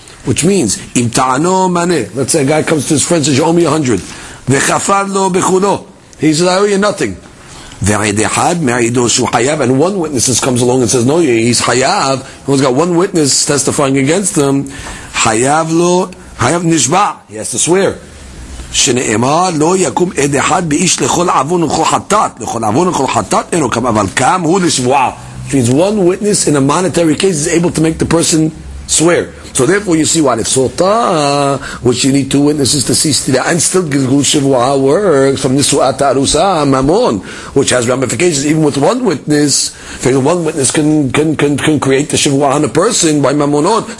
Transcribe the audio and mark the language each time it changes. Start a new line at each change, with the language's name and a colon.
English: Which means, Im Ta'ano Mane. Let's say a guy comes to his friend and says, you owe me 100. Ve'chafar lo bechulo. He says, I owe you nothing. Ve'ed Echad, Me'ido Shu Hayav. And one witness comes along and says, no, he's Hayav. He's got one witness testifying against him. Hayav lo, Hayav Nishba. He has to swear.
Hebrew: שנאמר לא יקום עד אחד באיש לכל עוון וכל חטאת לכל עוון וכל חטאת אינו קם אבל קם הוא לשבועה.
English: It means one witness in a monetary case is able to make the person swear. So therefore you see what if sota, which you need two witnesses to see stira, and still Gilgul Shivua works from Nisua to Arusa, Mamon, which has ramifications even with one witness. One witness can create the Shivua on a person by Mamonon.